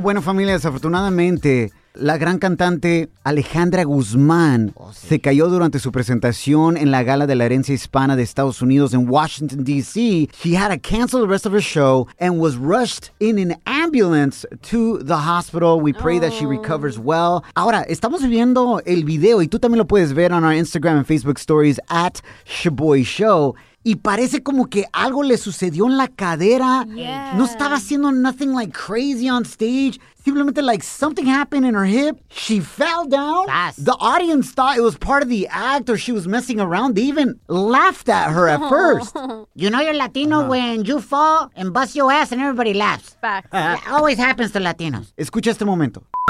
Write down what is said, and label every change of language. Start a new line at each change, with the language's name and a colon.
Spanish: Bueno, familia, desafortunadamente, la gran cantante Alejandra Guzmán se cayó durante su presentación en la gala de la herencia hispana de Estados Unidos en Washington, D.C.
English: She had to cancel the rest of her show and was rushed in an ambulance to the hospital. We pray that she recovers well.
Spanish: Ahora, estamos viendo el video y tú también lo puedes ver
English: on our Instagram and Facebook stories at Shaboy Show.
Spanish: Y parece como que algo le sucedió en la cadera.
English: Yeah.
Spanish: No estaba haciendo
English: nothing like crazy on stage.
Spanish: Simplemente
English: like something happened in her hip. She fell down. Fast. The audience thought it was part of the act or she was messing around. They even laughed at her at first. You know you're Latino when you fall and bust your ass and everybody laughs. Fact. It always happens to Latinos.
Spanish: Escucha este momento.